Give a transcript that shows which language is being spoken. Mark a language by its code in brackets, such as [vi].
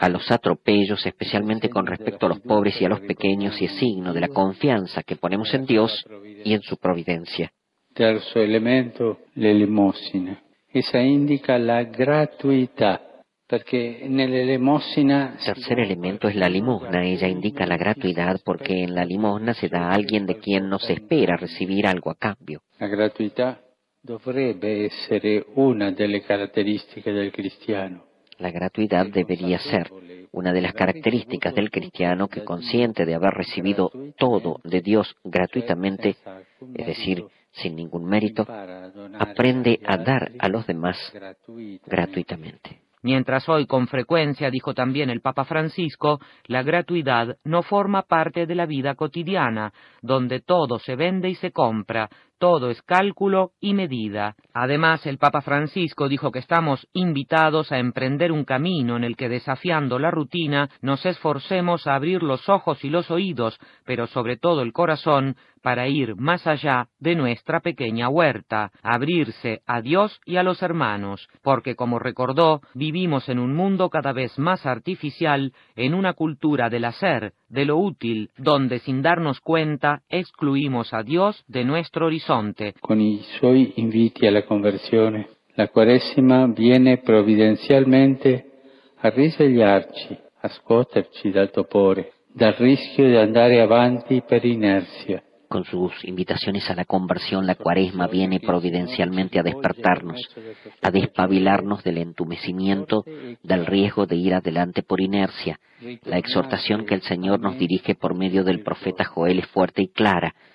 [es] A los atropellos, especialmente con respecto a los pobres y a los pequeños, y es signo de la confianza que ponemos en Dios y en su providencia. Tercer elemento, la limosna. Esa indica la gratuidad. Porque en la limosna. Tercer elemento es la limosna. Ella indica la gratuidad porque en la limosna se da a alguien de quien no se espera recibir algo a cambio. La gratuidad [it] dovrebbe essere una delle caratteristiche del cristiano. [es] La gratuidad debería ser una de las características del cristiano que, consciente de haber recibido todo de Dios gratuitamente, es decir, sin ningún mérito, aprende a dar a los demás gratuitamente. Mientras hoy con frecuencia, dijo también el Papa Francisco, la gratuidad no forma parte de la vida cotidiana, donde todo se vende y se compra, todo es cálculo y medida. Además, el Papa Francisco dijo que estamos invitados a emprender un camino en el que, desafiando la rutina, nos esforcemos a abrir los ojos y los oídos, pero sobre todo el corazón, para ir más allá de nuestra pequeña huerta, abrirse a Dios y a los hermanos, porque, como recordó, vivimos en un mundo cada vez más artificial, en una cultura del hacer, de lo útil, donde sin darnos cuenta excluimos a Dios de nuestro horizonte. [it] Con i suoi inviti alla conversione, la Cuaresima viene [es] providencialmente [it] a risvegliarci, a scuoterci dal topore, dal rischio di andare avanti per inerzia. [es] Con sus invitaciones a la conversión, la Cuaresma viene providencialmente a despertarnos, a despabilarnos del entumecimiento, del riesgo de ir adelante por inercia. La exhortación que el Señor nos dirige por medio del profeta Joel es fuerte y clara.